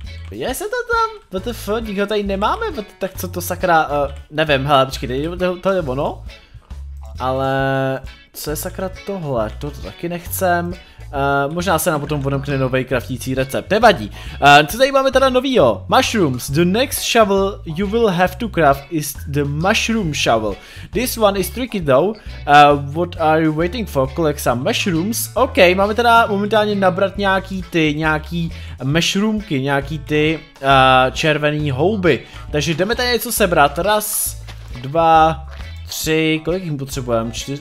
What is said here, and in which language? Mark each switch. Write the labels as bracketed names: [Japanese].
[Czech] Viděl jsem to tam? WTF, nikdo tady nemáme, tak co to sakra, nevím, hele, počkej, to je ono. Ale, co je sakra tohle, to taky nechcem. Možná se nám potom odemkne novej kraftící recept, nevadí. Co tady máme teda novýho? [English] Mushrooms, the next shovel you will have to craft is the mushroom shovel. This one is tricky though, what are you waiting for, collect some mushrooms. [Czech] OK, máme teda momentálně nabrat nějaký mushroomky, nějaký ty červený houby. Takže jdeme tady něco sebrat, raz, dva, tři, kolik jich potřebujeme?